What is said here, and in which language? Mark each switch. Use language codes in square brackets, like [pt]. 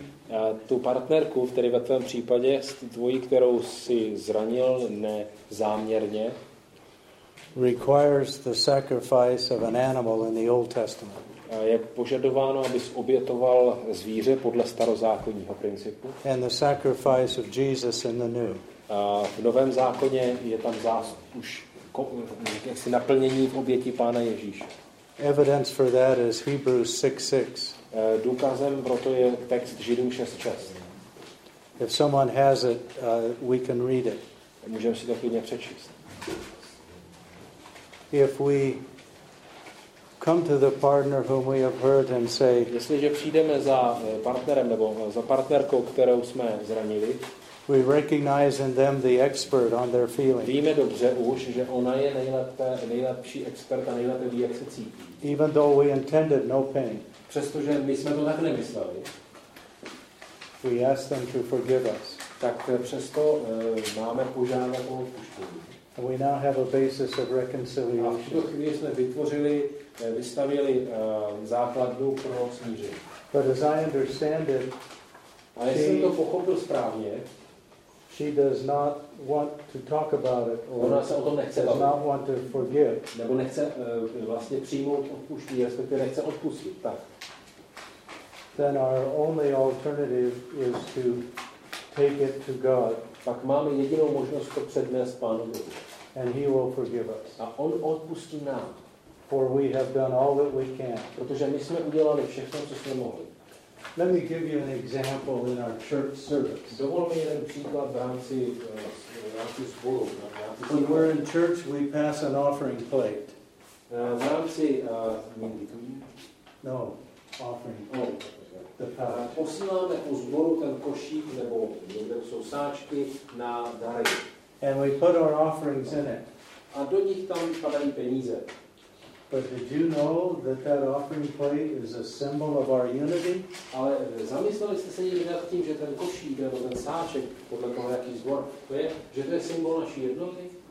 [cs] A tu partnerku, který ve tvém případě, tvojí, kterou si zranil nezáměrně. [en] requires the sacrifice of an animal in the Old Testament. [cs] Je požadováno, abys obětoval zvíře podle starozákonního principu. [en] And the sacrifice of Jesus in the new. [cs] V Novém zákoně je tam už jaksi naplnění v oběti Pána Ježíše. [en] Evidence for that is Hebrews 6:6. [cs] Důkazem pro to je text Židům 6:6. [en] If someone has it, we can read it. [cs] Můžeme si to klidně přečíst. [en] If we come to the partner whom we have hurt and say, [cs] jestliže přijdeme za partnerem nebo za partnerkou, kterou jsme zranili, [en] we recognize in them the expert on their feelings. [cs] Víme dobře už, že ona je nejlepší expert a nejlépe ví, jak se cítí. [en] Even though we intended no pain. [cs] Přestože my jsme to tak nemysleli. [en] We ask them to forgive us. [cs] Tak přesto máme požádat o odpuštění. [en] We now have a basis of reconciliation. [cs] A v tuto chvíli jsme vystavili základnu pro smíření. [en] But as I understand it, [cs] a jestli jsem to pochopil správně, [en] she does not want to talk about it, [cs] or ona se o tom nechce [en] does not want to forgive. [cs] Nebo nechce vlastně přijmout odpuštění, respektive nechce odpustit. Tak. [en] Then our only alternative is to take it to God. [cs] Tak máme jedinou možnost to přednést Pánu Bohu. [en] And He will forgive us. [cs] A On odpustí nám. [en] For we have done all that we can. [cs] Protože my jsme udělali všechno, co jsme mohli. [en] Let me give you an example in our church service. [cs] Dovolme jeden příklad v rámci sboru. [en] When we're in church, we pass an offering plate. [cs] V rámci liturgie? [en] No, offering. [cs] Posíláme po sboru ten košík nebo někde jsou sáčky na dary. [en] And we put our offerings in it. [cs] A do nich tam padají peníze. [en] But did you know that that offering plate is a symbol of our unity? [cs] Ale zamysleli jste se někdy nad tím, že ten košík nebo ten sáček podle toho, jaký zbor, to je symbol naší jednoty?